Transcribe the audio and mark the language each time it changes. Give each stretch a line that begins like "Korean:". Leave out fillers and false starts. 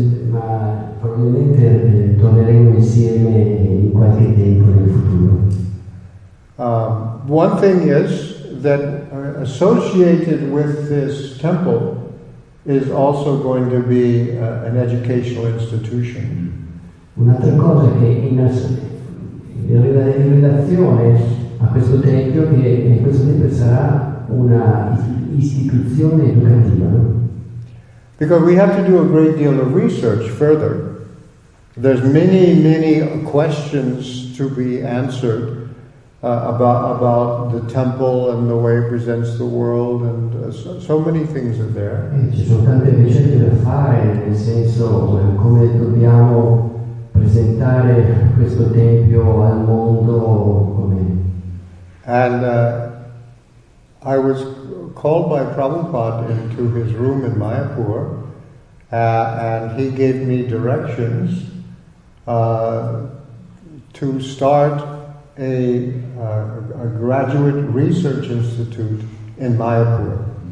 Italian: ma probabilmente torneremo insieme in qualche tempo nel futuro.
English: One thing is that associated with this temple is also going to be an educational institution.
Italian: Un'altra cosa che in relazione a questo tempio, che in questo tempio sarà una istituzione educativa.
English: Because we have to do a great deal of research further. There's many, many questions to be answered. About the temple and the way it presents the world, and so many things are there.
Italian: Ci sono tante ricerche da fare, nel senso come dobbiamo presentare questo tempio al mondo, come.
English: And I was called by Prabhupada into his room in Mayapur, and he gave me directions to start a graduate research institute in Mayapur.